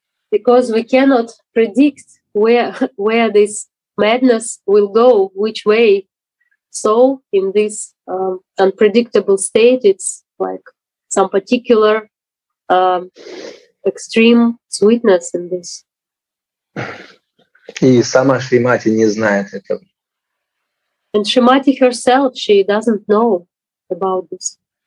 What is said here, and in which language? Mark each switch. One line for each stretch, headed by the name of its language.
English: Because we cannot predict where this madness will go, which way. So in this unpredictable state, it's like some particular extreme sweetness in this.
Russian: И сама Шримати не знает этого.
English: And Шримати herself, she doesn't know about this.